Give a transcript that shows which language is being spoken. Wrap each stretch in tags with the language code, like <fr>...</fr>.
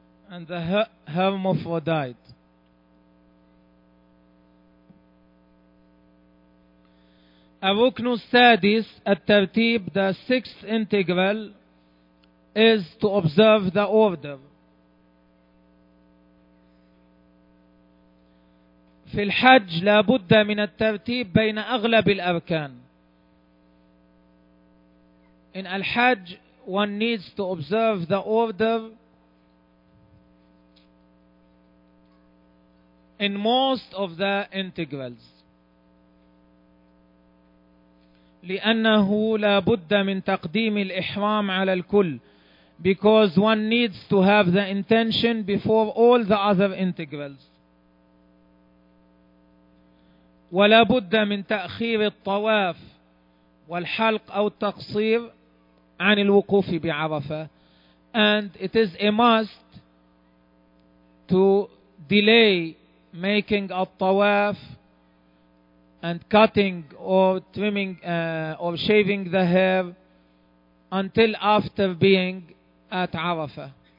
<en>And the hermaphrodite.</en> <ar>الركن السادس الترتيب,</ar> <en>the sixth integral is to observe the order.</en> <ar>في الحج لا بد من الترتيب بين أغلب الأركان.</ar> <en>In الحج one needs to observe the order in most of the integrals.</en> <ar>لأنه لا بد من تقديم الإحرام على الكل.</ar> <en>Because one needs to have the intention before all the other integrals.</en> <ar>ولا بد من تأخير الطواف والحلق أو التقصير عن الوقوف بعرفة.</ar> <en>And it is a must to delay making a tawaf and cutting or trimming or shaving the hair until after being at Arafah.</en>